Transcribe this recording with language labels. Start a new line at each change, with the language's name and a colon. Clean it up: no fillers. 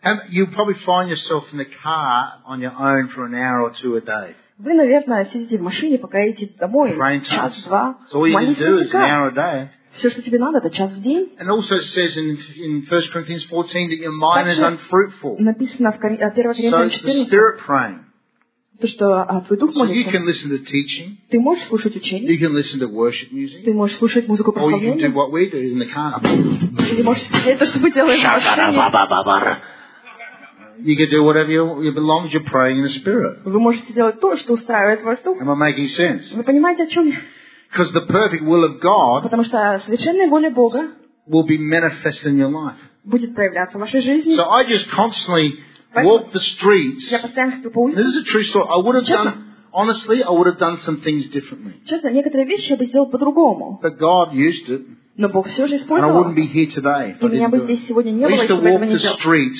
English: You probably find yourself in the car on your own for an hour or two a day.
Russian: Вы, наверное, сидите в машине, пока едете домой. Час-два. Все, что тебе надо, это час в день.
English: And also says in 1 Corinthians 14 that your mind is unfruitful.
Russian: Написано в 1 Коринфянам 14. То, что твой дух молится.
English: So you can listen to teaching.
Russian: Ты можешь слушать учение.
English: You can listen to worship music.
Russian: Ты можешь слушать музыку прославления.
English: Or you can do what we do in the car.
Russian: Или можешь это, что мы делаем в машине.
English: You can do whatever you belong, you're praying in the Spirit.
Russian: Вы можете делать то, что устраивает вас дух.
English: Am I making sense?
Russian: Вы понимаете, о чем я?
English: Because the perfect will of God
Russian: Потому что совершенная воля Бога
English: will be manifest in your life.
Russian: Будет проявляться в вашей жизни.
English: So I just constantly walk the streets.
Russian: Я постоянно ходил по улице.
English: This is a true story. I would have done, honestly, I would have done some things differently.
Russian: Честно, некоторые вещи я бы сделал по-другому.
English: But God used it.
Russian: Но Бог все же использовал. И меня бы здесь сегодня не было, если бы этого не делал.